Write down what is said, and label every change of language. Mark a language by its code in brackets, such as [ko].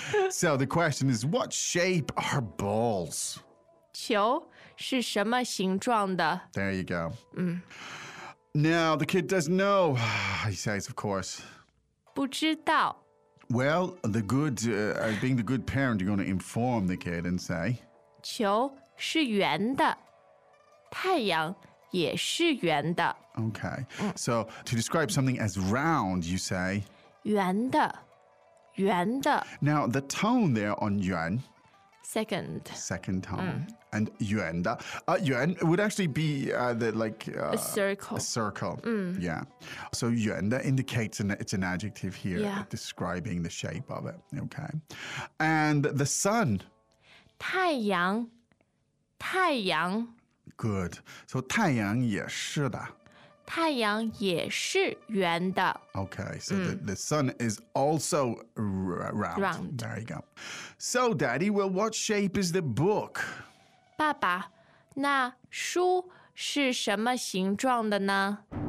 [en] So the question is, what shape are balls? [zh] 球是什么形状的? [en] There you go. Now the kid doesn't know, he says, of course. [zh] 不知道。 [en] Well, the good, being the good parent, you're going to inform the kid and say... [zh] 球是圆的，太阳也是圆的。 [en] Okay, so to describe something as round, you say [zh] 圆的，圆的。 [en] Now the tone there on 圆 second tone and 圆的，圆 would actually be a circle. Yeah, so 圆的 indicates it's an adjective here describing the shape of it. Okay, and the sun [zh] 太阳。太阳 [en] Good. So, [zh] 太阳也是的。太阳也是圆的。 [en] Okay, so the sun is also round. There you go. So, Daddy, well, what shape is the book? [zh] 爸爸，那书是什么形状的呢？